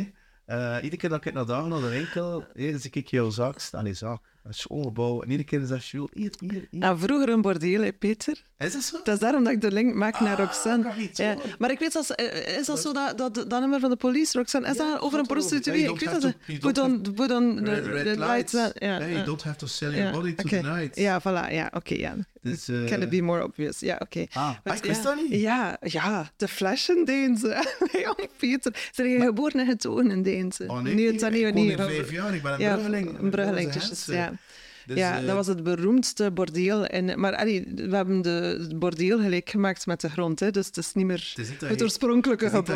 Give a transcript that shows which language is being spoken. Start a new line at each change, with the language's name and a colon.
Dutch: iedere keer dat ik naar de winkel, zie ik jouw zaak staan. Die zaak, een schoolgebouw. En iedere keer is dat Jules. Hier. Nou, vroeger een bordeel, hè, Peter. Is dat zo? Dat is daarom dat ik de link maak naar Roxanne. Ah, ja. Maar ik weet, is dat zo dat nummer van de police, Roxanne? Is dat over een prostituee? Ik weet dat ze...
English: Put on the red lights. You don't have to sell your body to the night.
Dutch: Ja, voilà. Ja, oké. Okay, ja. Dus,
English: can it be more obvious?
Dutch: Ja, oké. Okay. Ah, ik wist dat niet. Ja, ja, de flash in Deense. Jong Peter, ze zijn geboren en getogen in Deense. Oh nee, ik ben een Bruggeling. Dus, ja, dat was het beroemdste bordeel. We hebben het bordeel gelijk gemaakt met de grond, hè, dus het is niet meer het oorspronkelijke gebouw.